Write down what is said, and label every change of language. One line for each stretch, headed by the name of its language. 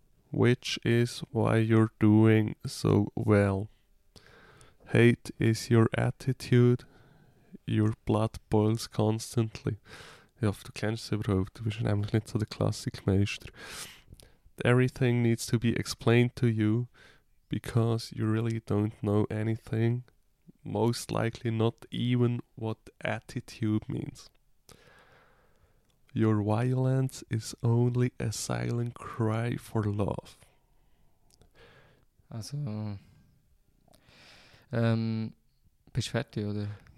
English: Which is why you're doing so well. Hate is your attitude. Your blood boils constantly.
German: Ich hoffe, du kennst es überhaupt. Du bist nämlich nicht so der Klassikmeister.
English: Everything needs to be explained to you. Because you really don't know anything, most likely not even what attitude means. Your violence is only a silent cry for love.
German: Also, bist du fertig, oder?